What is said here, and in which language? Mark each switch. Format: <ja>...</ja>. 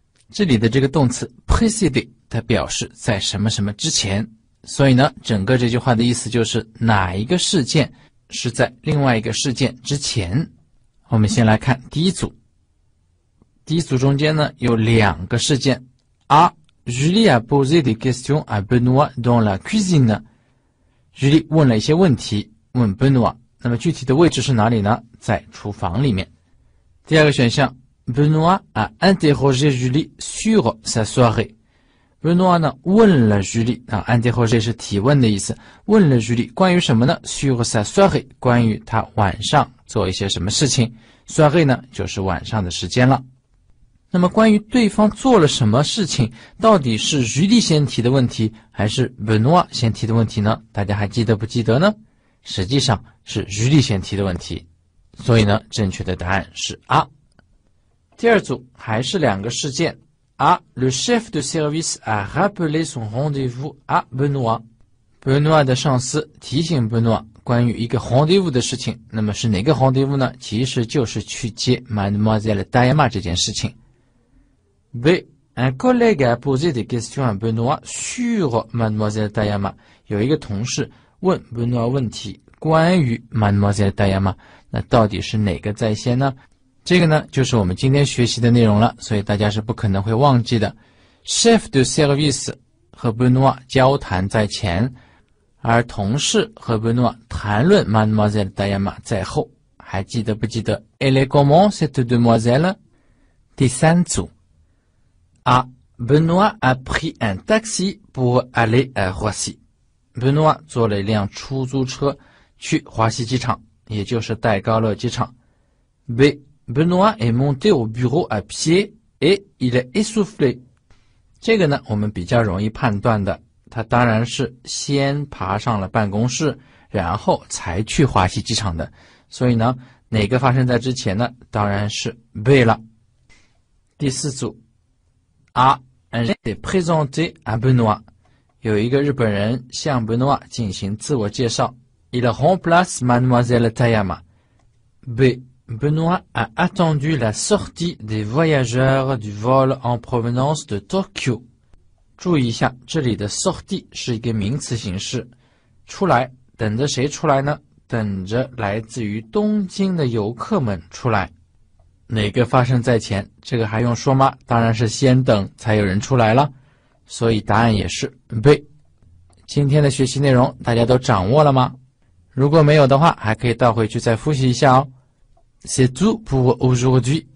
<zh>这里的这个动词 précédé 它表示在什么什么之前，所以呢整个这句话的意思就是哪一个事件是在另外一个事件之前。我们先来看第一组，第一组中间呢有两个事件。</zh> <fr>A. Julie a posé des questions à Benoît dans la cuisine.</fr> <zh>Julie 问了一些问题，问 Benoît， 那么具体的位置是哪里呢？在厨房里面。第二个选项，</zh> <fr>Benoît a interrogé Julie sur sa soirée.</fr> <zh>Benoît 呢问了 Julie， interrogé 是提问的意思，问了 Julie 关于什么呢？</zh> <fr>Sur sa soirée，</fr> <zh>关于他晚上做一些什么事情。 Soirée 呢就是晚上的时间了。那么关于对方做了什么事情，到底是 Julie 先提的问题还是 Benoît 先提的问题呢？大家还记得不记得呢？实际上是 Julie 先提的问题，所以呢正确的答案是 A。第二组还是两个事件。A.</zh> <fr>Le chef de service a rappelé son rendez-vous à Benoît.</fr> <zh>Benoît 的上司提醒 Benoît 关于一个 rendez-vous 的事情，那么是哪个 rendez-vous 呢？其实就是去接 Mademoiselle Diana 这件事情。</zh> <fr>B. Un collègue a posé des questions à Benoît sur Mademoiselle Diana.</fr> <zh>有一个同事问 Benoît 问题，关于 Mademoiselle Diana， 那到底是哪个在先呢？这个呢就是我们今天学习的内容了，所以大家是不可能会忘记的。 Chef de service 和 Benoît 交谈在前，而同事和 Benoît 谈论 Mademoiselle Diana 在后。还记得不记得</zh> <fr>Elle est comment cette demoiselle？</fr> <zh>第三组。A.</zh> <fr>Benoît a pris un taxi pour aller à Roissy.</fr> <zh>Benoît 坐了一辆出租车去华西机场，也就是戴高乐机场。</zh> <fr>B. Benoît est monté au bureau à pied et il est essoufflé.</fr> <zh>这个呢我们比较容易判断的，他当然是先爬上了办公室然后才去华西机场的，所以呢哪个发生在之前呢？当然是 B 了。第四组。A.</zh> <fr>Un Japonais s'est présenté à Benoît.</fr> <zh>有一个日本人向 Benoît 进行自我介绍。</zh> <fr>Il remplace Mademoiselle Diana. B. Benoît a attendu la sortie des voyageurs du vol en provenance de Tokyo.</fr> <zh>注意一下，这里的 sortie 是一个名词形式，出来，等着谁出来呢？等着来自于东京的游客们出来。哪个发生在前？这个还用说吗？当然是先等才有人出来了，所以答案也是 B。今天的学习内容大家都掌握了吗？如果没有的话还可以倒回去再复习一下哦。</zh> <fr>C'est tout pour aujourd'hui.</fr>